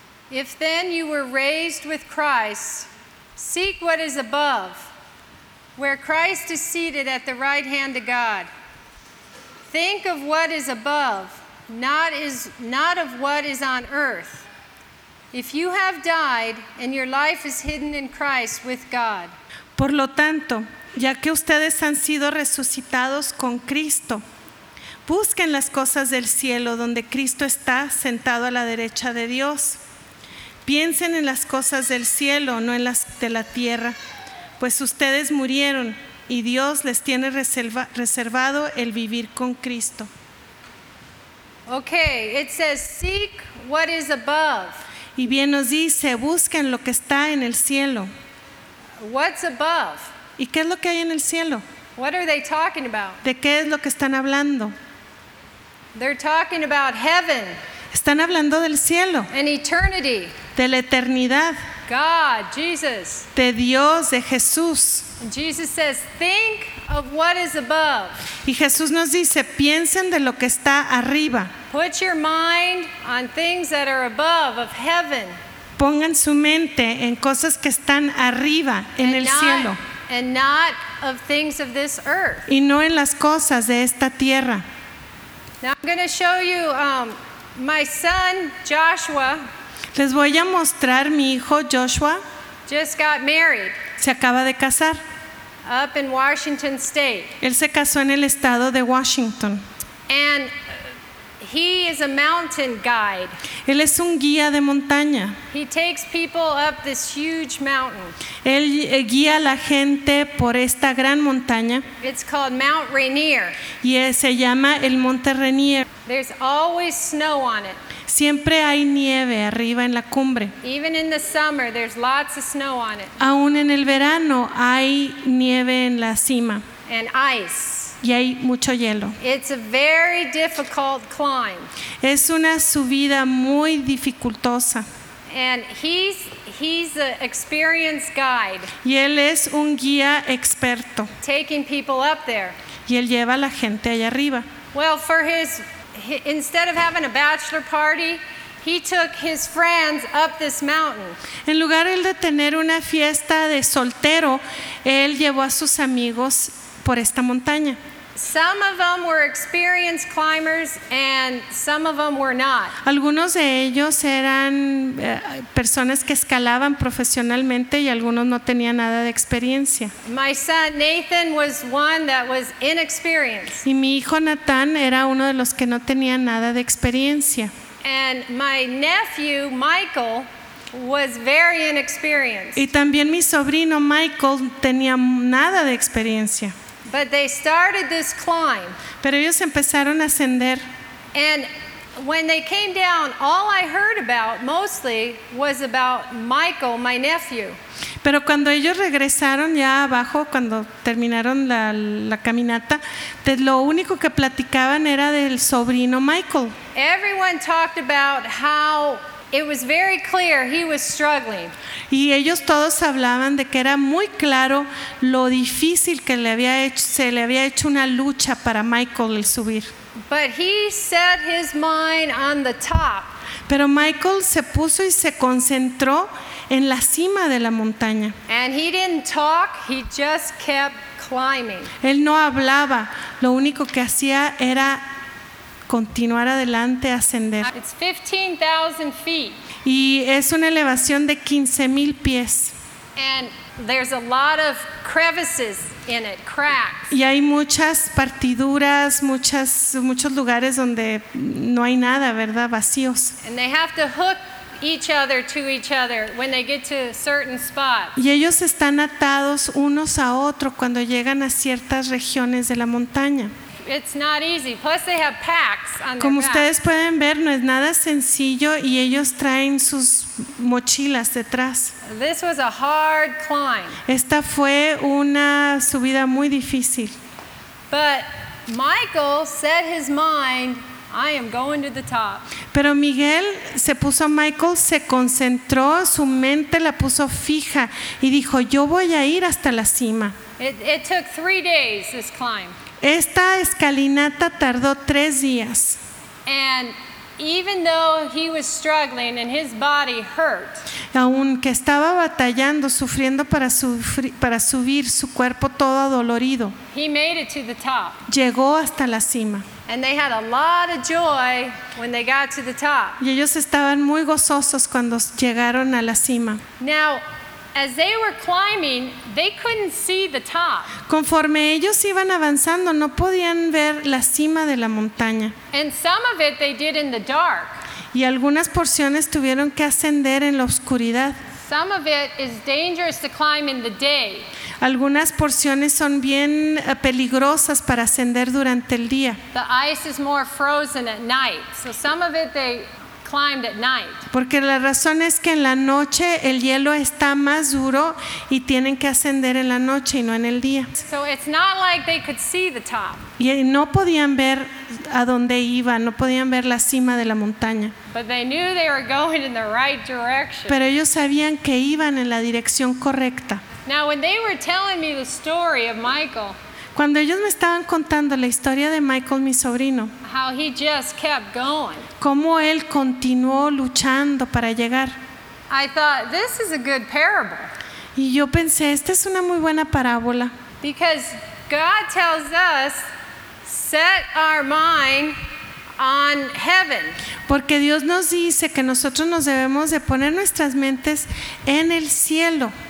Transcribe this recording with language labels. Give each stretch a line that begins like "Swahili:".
English: If then you were raised with Christ, seek what is above, where Christ is seated at the right hand of God. Think of what is above, not of what is on earth. If you have died and your life is hidden in Christ with God.
Spanish: Por lo tanto, ya que ustedes han sido resucitados con Cristo, busquen las cosas del cielo donde Cristo está sentado a la derecha de Dios. Piensen en las cosas del cielo, no en las de la tierra, pues ustedes murieron y Dios les tiene reservado el vivir con Cristo.
English: Okay, it says seek what is above.
Spanish: Y bien nos dice, busquen lo que está en el cielo.
English: What's above?
Spanish: ¿Y qué es lo que hay en el cielo?
English: What are they talking about?
Spanish: ¿De qué es lo que están hablando?
English: They're talking about heaven.
Spanish: Están hablando del cielo.
English: And eternity.
Spanish: De la eternidad.
English: God, Jesus.
Spanish: De Dios, de Jesús.
English: And Jesus says, think of what is above.
Spanish: Y Jesús nos dice, piensen de lo que está arriba.
English: Put your mind on things that are above, of heaven.
Spanish: Pongan su mente en cosas que están arriba, en
English: and
Spanish: el
English: not,
Spanish: cielo.
English: And not of things of this earth.
Spanish: Y no en las cosas de esta tierra.
English: Now I'm going to show you my son Joshua.
Spanish: Les voy a mostrar mi hijo Joshua.
English: Just got married.
Spanish: Se acaba de casar.
English: Up in Washington State.
Spanish: Él se casó en el estado de Washington.
English: And he is a mountain guide.
Spanish: Él es un guía de montaña.
English: He takes people up this huge mountain.
Spanish: Él guía a la gente por esta gran montaña.
English: It's called Mount Rainier.
Spanish: Y se llama el Monte Rainier.
English: There's always snow on it.
Spanish: Siempre hay nieve arriba en la cumbre.
English: Even in the summer, there's lots of snow on it.
Spanish: Aún en el verano hay nieve en la cima.
English: And ice.
Spanish: Y hay mucho hielo.
English: It's a very difficult climb.
Spanish: Es una subida muy dificultosa.
English: And he's an experienced guide.
Spanish: Y él es un guía experto.
English: Taking people up there.
Spanish: Y él lleva a la gente allá arriba.
English: Well, for his instead of having a bachelor party, he took his friends up this mountain.
Spanish: En lugar de tener una fiesta de soltero, él llevó a sus amigos por esta montaña.
English: Some of them were experienced climbers and some of them were not.
Spanish: Algunos de ellos eran personas que escalaban profesionalmente y algunos no tenían nada de experiencia.
English: My son Nathan was one that was inexperienced.
Spanish: Y mi hijo Nathan era uno de los que no tenía nada de experiencia.
English: And my nephew Michael was very inexperienced.
Spanish: Y también mi sobrino Michael tenía nada de experiencia.
English: But they started this climb.
Spanish: Pero ellos empezaron a ascender.
English: And when they came down, all I heard about mostly was about Michael, my nephew.
Spanish: Pero cuando ellos regresaron ya abajo, cuando terminaron la caminata, lo único que platicaban era del sobrino Michael.
English: Everyone talked about how it was very clear he was struggling.
Spanish: Y ellos todos hablaban de que era muy claro lo difícil que se le había hecho una lucha para Michael el subir.
English: But he set his mind on the top.
Spanish: Pero Michael se puso y se concentró en la cima de la montaña.
English: And he didn't talk, he just kept climbing.
Spanish: Él no hablaba, lo único que hacía era continuar adelante, ascender.
English: It's 15,000 feet.
Spanish: Y es una elevación de 15,000 pies.
English: And there's a lot of crevices in it, cracks.
Spanish: Y hay muchas partiduras, muchos lugares donde no hay nada, ¿verdad? Vacíos.
English: And they have to hook each other to each other when they get to certain spots.
Spanish: Y ellos están atados unos a otro cuando llegan a ciertas regiones de la montaña.
English: It's not easy. Plus they have packs on their
Spanish: Como ustedes pueden ver, no es nada sencillo y ellos traen sus mochilas detrás.
English: This was a hard climb.
Spanish: Esta fue una subida muy difícil.
English: But Michael set his mind, I am going to the top.
Spanish: Pero Miguel se puso a Michael, se concentró, su mente la puso fija y dijo, yo voy a ir hasta la cima.
English: It took 3 days, this climb.
Spanish: Esta escalinata tardó 3 días.
English: And even though he was struggling and his body hurt,
Spanish: aunque estaba batallando, sufriendo para subir, su cuerpo todo adolorido,
English: he made it to the top.
Spanish: Llegó hasta la cima.
English: And they had a lot of joy when they got to the top.
Spanish: Y ellos estaban muy gozosos cuando llegaron a la cima.
English: Now, as they were climbing, they couldn't see the top.
Spanish: Conforme ellos iban avanzando, no podían ver la cima de la montaña.
English: And some of it they did in the dark.
Spanish: Y algunas porciones tuvieron que ascender en la oscuridad.
English: Some of it is dangerous to climb in the day.
Spanish: Algunas porciones son bien peligrosas para ascender durante el día.
English: The ice is more frozen at night, so some of it they climbed at night.
Spanish: Porque la razón es que en la noche el hielo está más duro y tienen que ascender en la noche y no en el día.
English: So it's not like they could see the top.
Spanish: Y no podían ver a dónde iban, no podían ver la cima de la montaña.
English: But they knew they were going in the right direction.
Spanish: Pero ellos sabían que iban en la dirección correcta.
English: Now when they were telling me the story of Michael,
Spanish: cuando ellos me estaban contando la historia de Michael, mi sobrino,
English: how he just kept going,
Spanish: cómo él continuó luchando para llegar,
English: I thought, this is a good parable.
Spanish: Y yo pensé, esta es una muy buena parábola.
English: Because God tells us, set our mind on heaven.
Spanish: Porque Dios nos dice que nosotros nos debemos de poner nuestras mentes en el cielo.